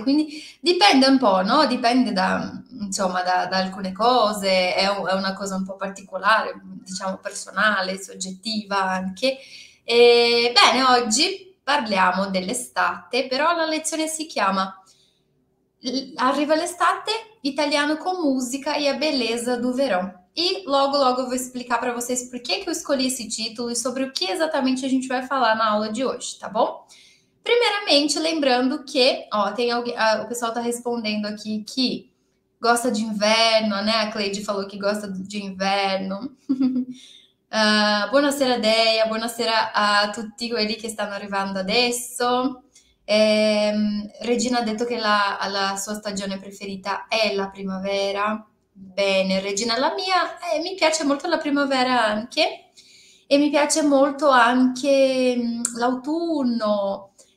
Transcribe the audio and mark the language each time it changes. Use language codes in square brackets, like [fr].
[it] Quindi dipende un po', no? Dipende da, insomma, da alcune cose. È una cosa un po' particolare, diciamo, personale, soggettiva anche. E bene, oggi parliamo dell'estate, però la lezione si chiama Arriva l'estate. [pt] Italiano com música e a beleza do verão. E logo, logo eu vou explicar para vocês por que que eu escolhi esse título e sobre o que exatamente a gente vai falar na aula de hoje, tá bom? Primeiramente, lembrando que, ó, tem alguém, o pessoal tá respondendo aqui que gosta de inverno, né? A Cleide falou que gosta de inverno. [it] Buonasera, Deia. Buonasera a tutti quelli che stanno arrivando adesso. Regina ha detto che la sua stagione preferita è la primavera. Bene, Regina, la mia, mi piace molto la primavera anche, e mi piace molto anche l'autunno.